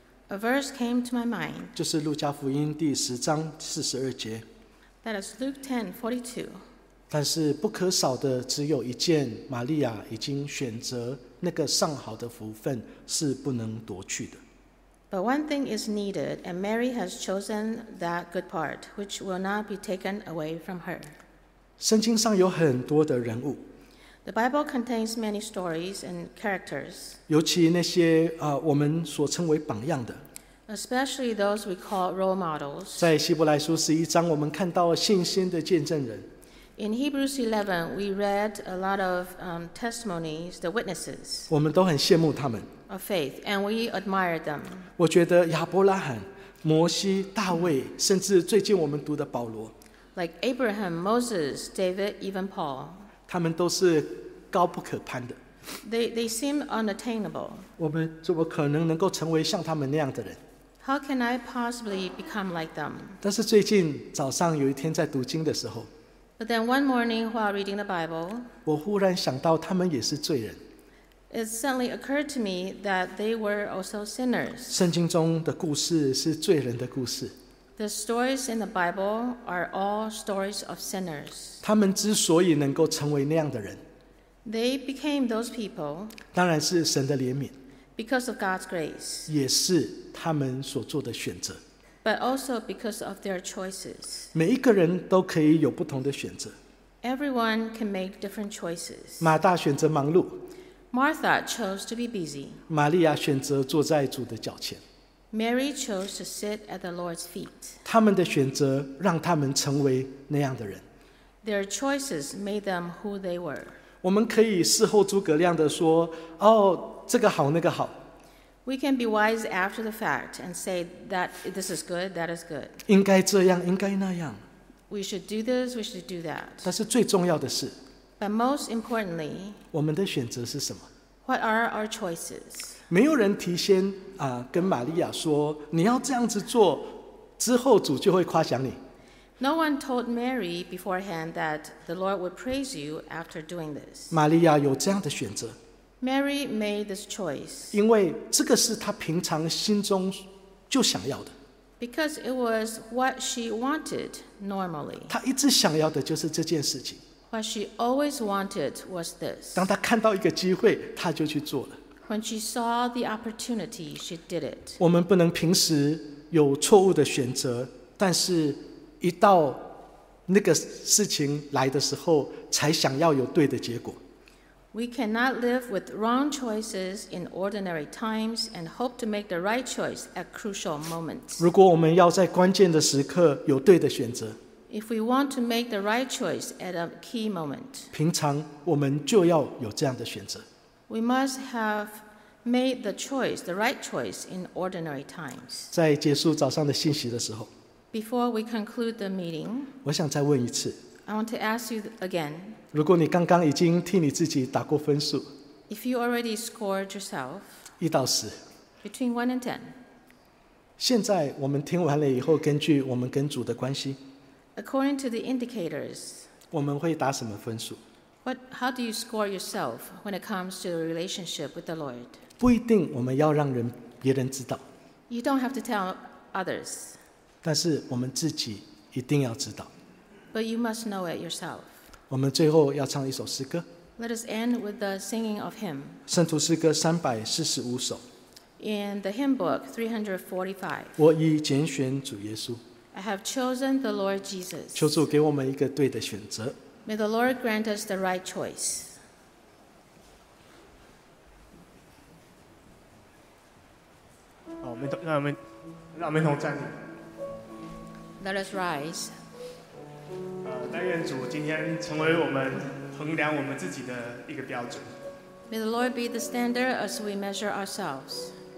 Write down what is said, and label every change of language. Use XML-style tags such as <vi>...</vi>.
<en>A verse came to my mind.</en> <zh>就是路加福音第十章四十二节。</zh> <en>That is Luke 10:42.</en> <zh>但是不可少的只有一件，玛利亚已经选择那个上好的福分是不能夺去的。</zh> <en>But one thing is needed, and Mary has chosen that good part, which will not be taken away from her.</en> <zh>圣经上有很多的人物。</zh> <en>The Bible contains many stories and characters.</en> <zh>尤其那些我们所称为榜样的。</zh> <en>Especially those we call role models.</en> <zh>在希伯来书十一章，我们看到信心的见证人。</zh> <en>In Hebrews 11, we read a lot of testimonies, the witnesses.</en> <zh>我们都很羡慕他们。</zh> <en>Of faith, and we admire them.</en> <zh>我觉得亚伯拉罕、摩西、大卫，甚至最近我们读的保罗</zh> <en>，like Abraham, Moses, David, even Paul.</en> <zh>他们都是高不可攀的。</zh> <en>They seem unattainable.</en> <zh>我们怎么可能能够成为像他们那样的人？</zh> <en>How can I possibly become like them?</en> <zh>但是最近早上有一天在读经的时候，</zh> <en>But then one morning while reading the Bible,</en> <zh>我忽然想到他们也是罪人。</zh> <en>It suddenly occurred to me that they were also sinners.</en> <zh>圣经中的故事是罪人的故事。</zh> <en>The stories in the Bible are all stories of sinners.</en> <zh>他们之所以能够成为那样的人，</zh> <en>They became those people.</en> <zh>当然是神的怜悯。</zh> <en>Because of God's grace.</en> <zh>也是他们所做的选择。</zh> <en>But also because of their choices.</en> <zh>每一个人都可以有不同的选择。</zh> <en>Everyone can make different choices.</en> <zh>马大选择忙碌。</zh> <en>Martha chose to be busy.</en> <zh>玛利亚选择坐在主的脚前。</zh> <en>Mary chose to sit at the Lord's feet.</en> <zh>他们的选择让他们成为那样的人。</zh> <en>Their choices made them who they were.</en> <zh>我们可以事后诸葛亮地说，哦，这个好，那个好。</zh> <en>We can be wise after the fact and say that this is good, that is good.</en> <zh>应该这样，应该那样。</zh> <en>We should do this, we should do that.</en> <zh>但是最重要的是，</zh> <en>But most importantly,</en> <zh>我们的选择是什么？</zh> <en>What are our choices?</en> <zh>没有人提前跟玛利亚说，你要这样子做，之后主就会夸奖你。</zh> <en>No one told Mary beforehand that the Lord would praise you after doing this.</en> <zh>玛利亚有这样的选择。</zh> <en>Mary made this choice.</en> <zh>因为这个是她平常心中就想要的。</zh> <en>Because it was what she wanted normally.</en> <zh>她一直想要的就是这件事情。</zh> <en>What she always wanted was this.</en> <zh>当她看到一个机会，她就去做了。</zh> <en>When she saw the opportunity, she did it.</en> <zh>我们不能平时有错误的选择，但是一到那个事情来的时候，才想要有对的结果。</zh> <en>We cannot live with wrong choices in ordinary times and hope to make the right choice at crucial moments.</en> <zh>如果我们要在关键的时刻有对的选择。</zh> <en>If we want to make the right choice at a key moment,</en> <zh>平常我们就要有这样的选择。</zh> <en>We must have made the choice, the right choice in ordinary times.</en> <zh>在结束早上的信息的时候，</zh> <en>Before we conclude the meeting,</en> <zh>我想再问一次。</zh> <en>I want to ask you again.</en> <zh>如果你刚刚已经替你自己打过分数，</zh> <en>If you already scored yourself,</en> <zh>一到十，</zh> <en>Between 1 and 10,</en> <zh>现在我们听完了以后，根据我们跟主的关系，</zh> <en>According to the indicators,</en> <zh>我们会打什么分数？</zh> <en>How do you score yourself when it comes to a relationship with the Lord?</en> <zh>不一定我们要让别人知道。</zh> <en>You don't have to tell others.</en> <zh>但是我们自己一定要知道。</zh> <en>But you must know it yourself.</en> <zh>我们最后要唱一首诗歌。</zh> <en>Let us end with the singing of hymn.</en> <zh>圣徒诗歌345首。</zh> <en>In the hymn book 345.</en> <zh>我已拣选主耶稣。</zh> <en>I have chosen the Lord Jesus.</en> <zh>求主给我们一个对的选择。</zh> <en>May the Lord grant us the right choice. Let us rise.</en> <zh>但愿主今天成为我们衡量我们自己的一个标准。</zh> <en>May the Lord be the standard as we measure ourselves.</en>